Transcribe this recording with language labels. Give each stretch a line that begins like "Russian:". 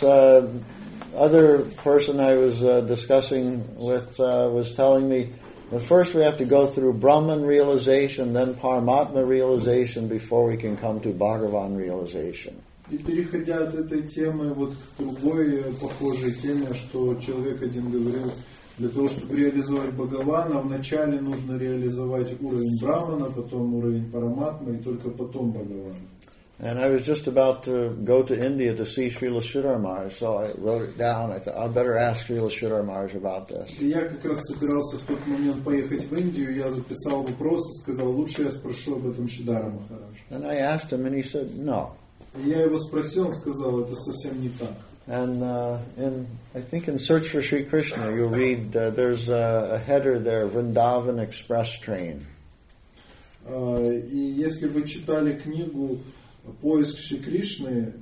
English: So then this other person I was discussing with was telling me, but first we have to go through Brahman realization, then Paramatma realization before we can come to Bhagavan realization.
Russian: И переходя от этой темы вот к другой похожей теме, что человек один говорил, для того, чтобы реализовать Бхагавана, вначале нужно реализовать уровень Брахмана, потом уровень Параматмы, и только потом Бхагавана.
English: And I was just about to go to India to see Srila Sridhar Maharaj, so I wrote it down. I thought, I'd better ask Srila Sridhar Maharaj about this.
Russian: И я как раз собирался в тот момент поехать в Индию, я записал вопрос и сказал, лучше я спрошу об этом Шридхара Махараджа.
English: And I asked him, and he said, no.
Russian: И я его спросил, он сказал, это совсем не так.
English: And I think in Search for Sri Krishna, you'll read, there's a header there, Vrindavan Express Train.
Russian: И если вы читали книгу «Поиск Шри Кришны.